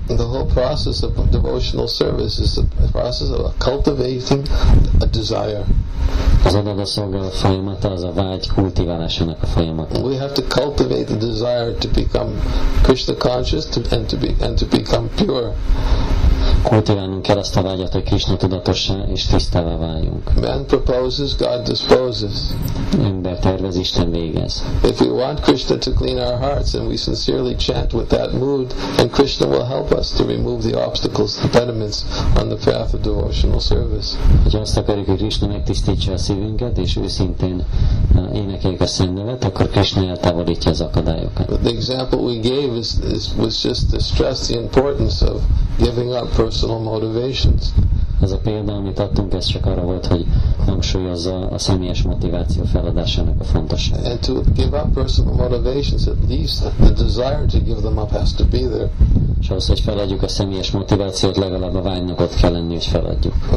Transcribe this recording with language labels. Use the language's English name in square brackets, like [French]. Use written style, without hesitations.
[English] The whole process of devotional service is the process of cultivating a desire. [Hungarian] Az adaga szolgál a folyamata, az a vágy kultiválásának a folyamata. [English] We have to cultivate the desire to become Krishna conscious and to become pure. [Hungarian] Kultiválnunk kell azt a vágyat, hogy Krishna tudatossá és tisztává váljunk. [English] Man proposes, God disposes. [Hungarian] Ember tervez, Isten végez. [English] If we want Krishna to clean our hearts and we sincerely chant with that mood, and Krishna will help us to remove the obstacles, the impediments on the path of devotional service. [Hungarian] Ha azt akarjuk, hogy Krishna megtisztítsa a szívünket, és őszintén énekeljük a Szent Nevet, akkor Krishna eltávolítja az akadályokat. [English] But the example we gave was just to stress the importance of giving up personal motivations. [Hungarian] Ez a példa, amit adtunk, ez csak arra volt, hogy hangsúlyozza a személyes motiváció feladásának a fontosságát. [English] And to give up personal motivations, at least the desire to give them up has to be there. [Hungarian] És ahhoz, hogy feladjuk a személyes motivációt, legalább a vágynak ott kell lenni, hogy feladjuk.